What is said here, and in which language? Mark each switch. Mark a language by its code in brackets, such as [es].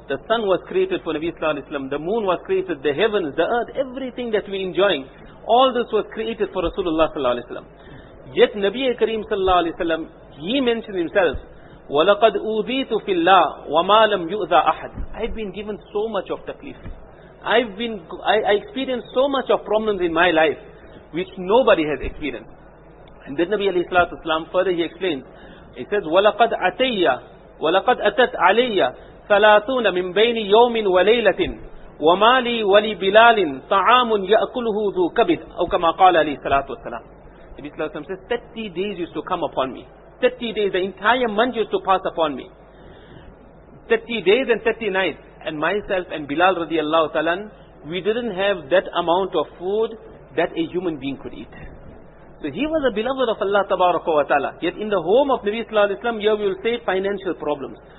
[en] The sun was created for Nabi Sallallahu Alaihi Wasallam, the moon was created, the heavens, the earth, everything that we're enjoying, all this was created for Rasulullah Sallallahu Alaihi Wasallam. Yet Nabi Kareem Sallallahu Alaihi Wasallam, he mentioned himself, [ar] وَلَقَدْ أُوذِيتُ فِي اللَّهِ وَمَا لَمْ يُؤْذَى أَحَدٍ. [en] I've been given so much of taklif. I experienced so much of problems in my life, which nobody has experienced. And then Nabi Alayhi Sallallahu Alaihi Wasallam, further he explains, he says, [ar] وَلَقَدْ أَتَيَّ وَلَقَدْ أَتَتْ عَلَيَّ ثَلَاثُونَ مِنْ بَيْنِ يَوْمٍ وَلَيْلَةٍ وَمَا لِي وَلِبِلَالٍ طَعَامٌ يَأْكُلُهُ ذُو كَبِدٍ أو كَمَا قَالَ عَلَيْهِ سَلَاتُ وَسَلَامُ. [en] Nabi Sallallahu Alaihi Wasallam says, 30 days used to come upon me. 30 days, the entire month used to pass upon me. 30 days and 30 nights. And myself and Bilal radiallahu ta'ala, we didn't have that amount of food that a human being could eat. So he was a beloved of Allah Tabaraka wa Ta'ala. Yet in the home of Nabi Sallallahu Alaihi Wasallam, here we will say financial problems.